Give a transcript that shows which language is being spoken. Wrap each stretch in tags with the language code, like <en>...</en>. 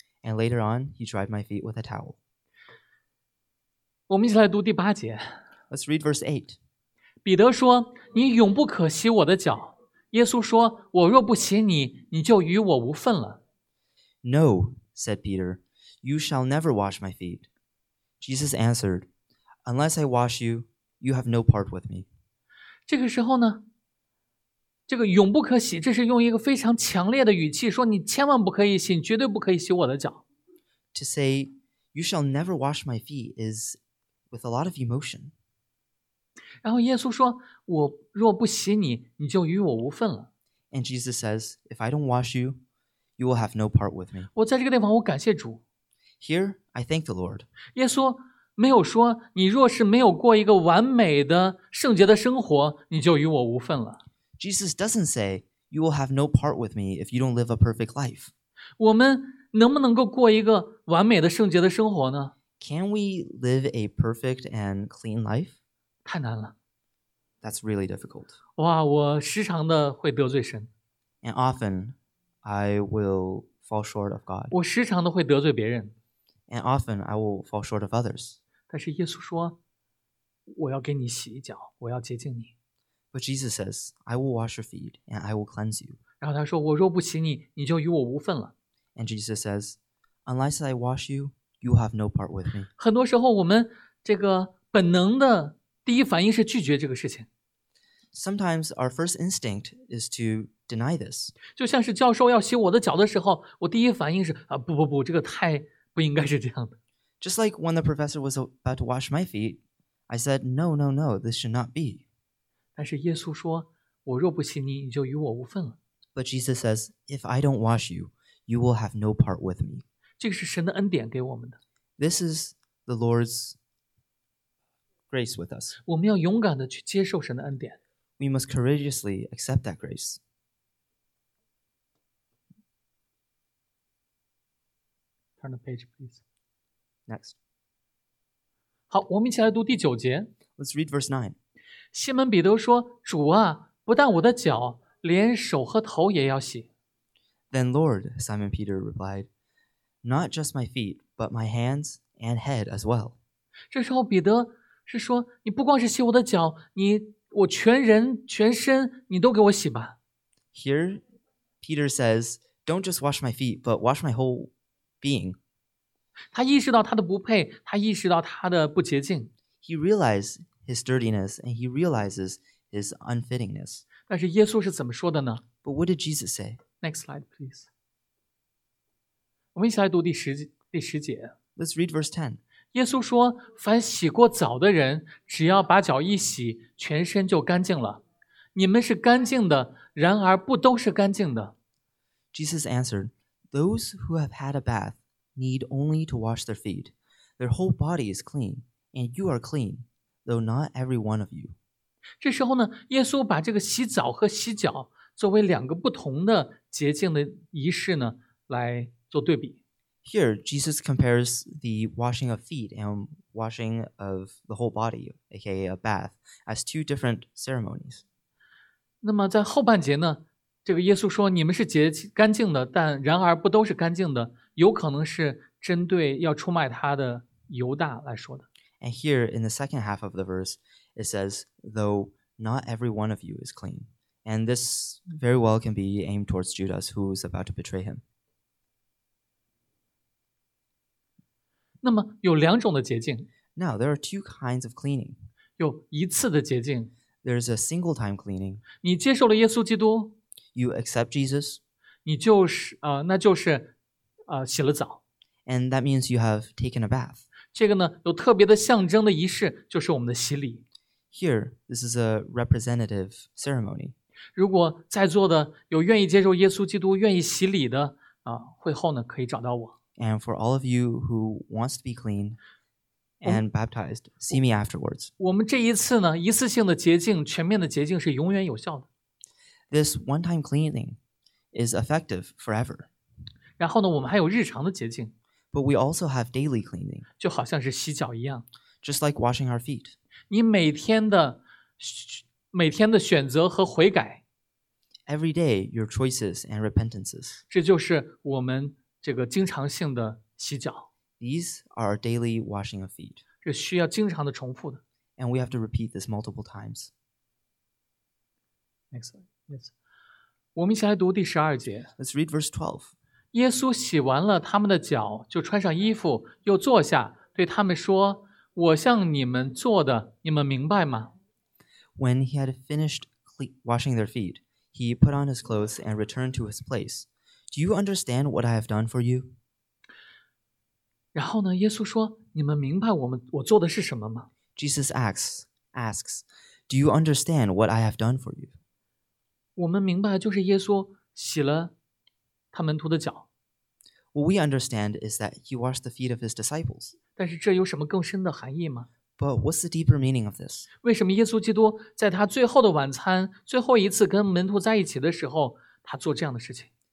<en>And later on, he dried my feet with a towel.</en> <zh>我们一起来读第八节。</zh> <en>Let's read verse 8.</en> <zh>彼得说，你永不可洗我的脚。耶稣说，我若不洗你，你就与我无份了。</zh> <en>No, said Peter, you shall never wash my feet. Jesus answered, unless I wash you, you have no part with me.</en> <zh>这个时候呢，这个永不可洗，这是用一个非常强烈的语气说你千万不可以洗，你绝对不可以洗我的脚。</zh> <en>To say, you shall never wash my feet is with a lot of emotion.</en> <zh>然后耶稣说，我若不洗你，你就与我无份了。</zh> <en>And Jesus says, if I don't wash you, you will have no part with me.</en> <zh>我在这个地方我感谢主。</zh> <en>Here, I thank the Lord.</en> <zh>耶稣没有说，你若是没有过一个完美的圣洁的生活，你就与我无份了。</zh> <en>Jesus doesn't say, you will have no part with me if you don't live a perfect life.</en> <zh>我们能不能够过一个完美的圣洁的生活呢?</zh> <en>Can we live a perfect and clean life?</en> <zh>太难了。</zh> <en>That's really difficult.</en> <zh>哇,我时常的会得罪神。</zh> <en>And often, I will fall short of God.</en> <zh>我时常的会得罪别人。</zh> <en>And often, I will fall short of others.</en> <zh>但是耶稣说,我要给你洗一脚,我要洁净你。</zh> <en>But Jesus says, I will wash your feet, and I will cleanse you.</en> <zh>然后他说，我若不洗你，你就与我无份了。</zh> <en>And Jesus says, unless I wash you, you have no part with me.</en> <zh>很多时候我们这个本能的第一反应是拒绝这个事情。</zh> <en>Sometimes our first instinct is to deny this.</en> <zh>就像是教授要洗我的脚的时候，我第一反应是，啊，不不不，这个太不应该是这样的。</zh> <en>Just like when the professor was about to wash my feet, I said, no, no, no, this should not be.</en> <zh>但是耶稣说，我若不洗你，你就与我无份了。</zh> <en>But Jesus says, if I don't wash you, you will have no part with me.</en> <zh>这个是神的恩典给我们的。</zh> <en>This is the Lord's grace with us.</en> <zh>我们要勇敢地去接受神的恩典。</zh> <en>We must courageously accept that grace. Turn the page, please. Next.</en> <zh>好，我们一起来读第九节。</zh> <en>Let's read verse 9.</en> <zh>西门彼得说主啊不但我的脚连手和头也要洗。</zh> <en>Then Lord, Simon Peter replied, not just my feet, but my hands and head as well.</en> <zh>这时候彼得是说你不光是洗我的脚你我全人全身你都给我洗吧。</zh> <en>Here, Peter says, don't just wash my feet, but wash my whole being.</en> <zh>他意识到他的不配他意识到他的不洁净。</zh> <en>He realized his dirtiness and he realizes his unfittingness.</en> <zh>但是耶稣是怎么说的呢?</zh> <en>But what did Jesus say? Next slide, please.</en> <zh>我们一起来读第十节。</zh> <en>Let's read verse 10.</en> <zh>耶稣说,凡洗过澡的人,只要把脚一洗,全身就干净了。你们是干净的,然而不都是干净的。</zh> <en>Jesus answered, those who have had a bath need only to wash their feet. Their whole body is clean, and you are clean, though not every one of you.</en> <zh>这时候呢,耶稣把这个洗澡和洗脚作为两个不同的洁净的仪式呢,来做对比。</zh> <en>Here, Jesus compares the washing of feet and washing of the whole body, aka a bath, as two different ceremonies.</en> <zh>那么在后半节呢,这个耶稣说你们是洁干净的,但然而不都是干净的,有可能是针对要出卖他的犹大来说的。</zh> <en>And here, in the second half of the verse, it says, though not every one of you is clean. And this very well can be aimed towards Judas, who is about to betray him.</en> <zh>那么有两种的洁净。</zh> <en>Now, there are two kinds of cleaning.</en> <zh>有一次的洁净。</zh> <en>There is a single time cleaning.</en> <zh>你接受了耶稣基督。</zh> <en>You accept Jesus.</en> <zh>你就是那就是洗了澡。</zh> <en>And that means you have taken a bath.</en> <zh>这个呢有特别的象征的仪式就是我们的洗礼。</zh> <en>Here, this is a representative ceremony.</en> <zh>如果在座的有愿意接受耶稣基督愿意洗礼的会后呢可以找到我。</zh> <en>And for all of you who wants to be clean and baptized, see me afterwards.</en> <zh>我们这一次呢，一次性的洁净，全面的洁净是永远有效的。</zh> <en>This one-time cleaning is effective forever.</en> <zh>然后呢，我们还有日常的洁净。</zh> <en>But we also have daily cleaning.</en> <zh>就好像是洗脚一样。</zh> <en>Just like washing our feet.</en> <zh>你每天的选择和悔改。</zh> <en>Every day, your choices and repentances.</en> <zh>这就是我们这个经常性的洗脚。</zh> <en>These are daily washing of feet.</en> <zh>这需要经常的重复的。</zh> <en>And we have to repeat this multiple times. Next.</en> <zh>我们一起来读第十二节。</zh> <en>Let's read verse 12.</en> <zh>耶稣洗完了他们的脚就穿上衣服又坐下对他们说我向你们做的你们明白吗</zh> <en>When he had finished washing their feet, he put on his clothes and returned to his place. Do you understand what I have done for you?</en> <zh>然后呢,耶稣说,你们明白我做的是什么吗?</zh> <en>Jesus asks, do you understand what I have done for you?</en> <zh>我们明白就是耶稣洗了他门徒的脚。</zh> <en>What we understand is that he washed the feet of his disciples.</en> <zh>但是这有什么更深的含义吗?</zh> <en>But what's the deeper meaning of this?</en> <zh>为什么耶稣基督在他最后的晚餐,最后一次跟门徒在一起的时候,他做这样的事情?</zh>